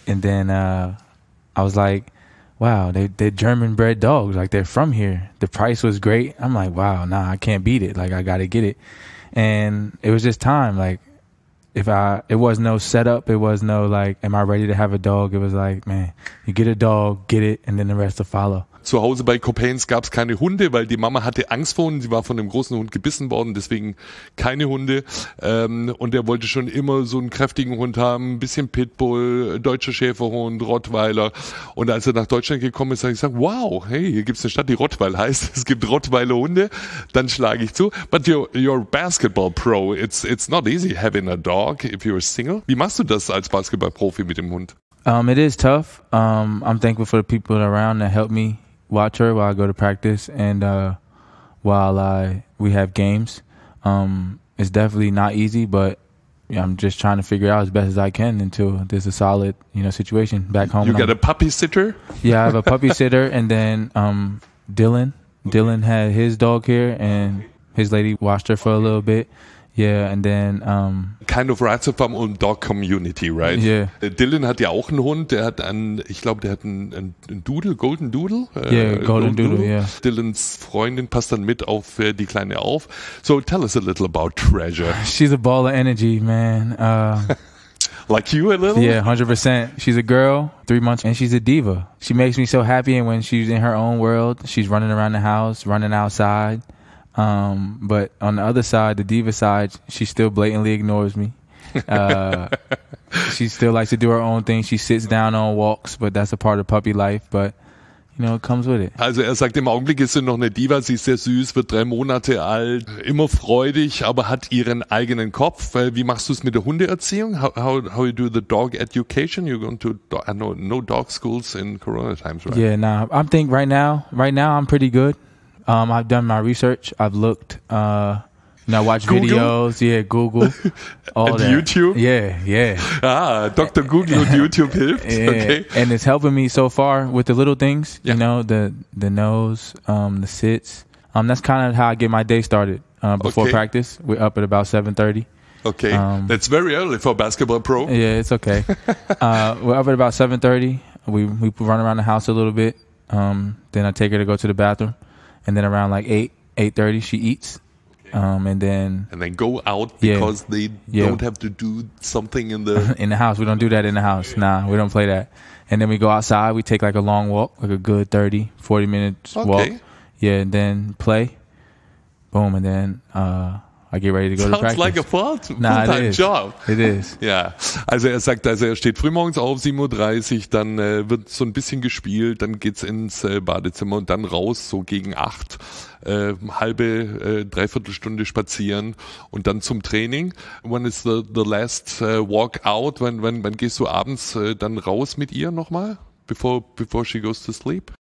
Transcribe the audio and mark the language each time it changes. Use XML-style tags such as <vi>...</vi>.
<en>And then I was like, wow, they're German bred dogs. Like, they're from here. The price was great. I'm like, wow, nah, I can't beat it. Like, I got to get it. And it was just time. Like, it was no setup. It was no, like, am I ready to have a dog? It was like, man, you get a dog, get it, and then the rest will follow.</en> <de>Zu Hause bei Copains gab es keine Hunde, weil die Mama hatte Angst vor Hunden. Sie war von einem großen Hund gebissen worden, deswegen keine Hunde. Und er wollte schon immer so einen kräftigen Hund haben, ein bisschen Pitbull, deutscher Schäferhund, Rottweiler. Und als er nach Deutschland gekommen ist, habe ich gesagt, wow, hey, hier gibt es eine Stadt, die Rottweil heißt. Es gibt Rottweiler Hunde. Dann schlage ich zu.</de> <en>But you're a basketball pro. It's not easy having a dog if you're single.</en> <de>Wie machst du das als Basketballprofi mit dem Hund?</de> <en>It is tough. I'm thankful for the people around that help me watch her while I go to practice and while we have games. It's definitely not easy, but yeah, I'm just trying to figure out as best as I can until there's a solid, you know, situation back home. You got a puppy sitter? Yeah, I have a puppy sitter, and then Dylan. Okay. Dylan had his dog here, and his lady watched her for a little bit. Yeah, and then kind of Rats of Farm und Dog Community, right? Yeah.</en> <de>Dylan hat ja auch einen Hund, der hat einen, ich glaube, der hat einen Doodle, Golden Doodle.</de> <en>Yeah, Golden Doodle, yeah.</en> <de>Dylans Freundin passt dann mit auf die Kleine auf.</de> <en>So tell us a little about Treasure. She's a ball of energy, man. Like you a little? Yeah, 100%. She's a girl, 3 months, and she's a diva. She makes me so happy, and when she's in her own world, she's running around the house, running outside. But on the other side, the diva side, she still blatantly ignores me. she still likes to do her own thing. She sits down on walks, but that's a part of puppy life. But, you know, it comes with it.</en> <de>Also er sagt, im Augenblick ist sie noch eine Diva. Sie ist sehr süß, wird 3 Monate alt, immer freudig, aber hat ihren eigenen Kopf. Wie machst du es mit der Hundeerziehung?</de> <en>How you do the dog education? You're going to, I know, no dog schools in Corona times, right? Yeah, nah. I think right now I'm pretty good. I've done my research. I've looked, you know, watched Google videos. Yeah, Google. All and that. YouTube? Yeah, yeah. Ah, Dr. Google and YouTube helped. Yeah. Okay. And it's helping me so far with the little things, yeah. You know, the nose, the sits. That's kind of how I get my day started before okay. practice. We're up at about 7:30. Okay. That's very early for a basketball pro. Yeah, it's okay. we're up at about 7:30. We run around the house a little bit. Then I take her to go to the bathroom. And then around like 8:30, she eats. Okay. And then go out because yeah, they yeah. don't have to do something in the in the house. We don't do that in the house. Yeah. Nah, we don't play that. And then we go outside. We take like a long walk, like a good 30, 40 minutes okay. walk. Yeah, and then play. Boom, and then I get ready to go sounds to practice. Like a full-time job. It is.</en> <de>Ja, also er sagt, also er steht früh morgens auf, 7.30 Uhr, dann wird so ein bisschen gespielt, dann geht's ins Badezimmer und dann raus, so gegen 8, halbe, dreiviertel Stunde spazieren und dann zum Training.</de> <en>When is the last walk out?</en> <de>Wann gehst du abends dann raus mit ihr nochmal,</de> <en>before she goes to sleep?</en>